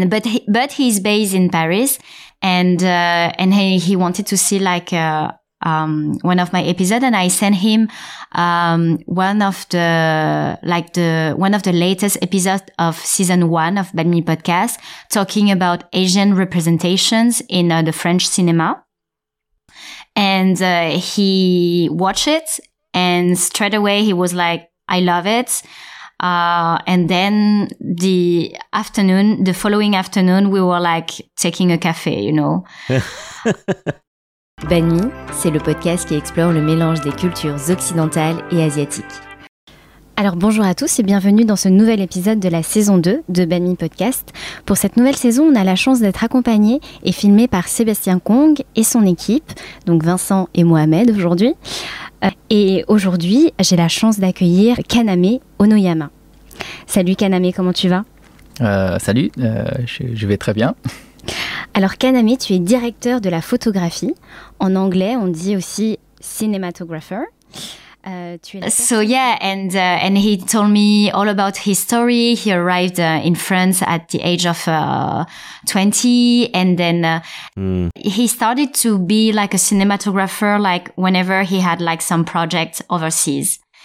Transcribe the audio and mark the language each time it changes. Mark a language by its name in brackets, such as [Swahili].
[English] US, but he's based in Paris, and he wanted to see like, one of my episodes, and I sent him, one of the latest episodes of season one of Banh podcast, talking about Asian representations in the French cinema. And, he watched it and straight away he was like, I love it. And then the following afternoon, we were like taking a cafe, you know. [French] Banh, c'est le podcast qui explore le mélange des cultures occidentales et asiatiques. Alors bonjour à tous et bienvenue dans ce nouvel épisode de la saison 2 de Banh Podcast. Pour cette nouvelle saison, on a la chance d'être accompagné et filmé par Sébastien Kong et son équipe, donc Vincent et Mohamed aujourd'hui. Et aujourd'hui, j'ai la chance d'accueillir Kaname Onoyama. Salut Kaname, comment tu vas ? Salut, je vais très bien. Alors Kaname, tu es directeur de la photographie. En anglais, on dit aussi cinematographer. [English] And he told me all about his story. He arrived in France at the age of 20, and then he started to be like a cinematographer, like whenever he had like some projects overseas.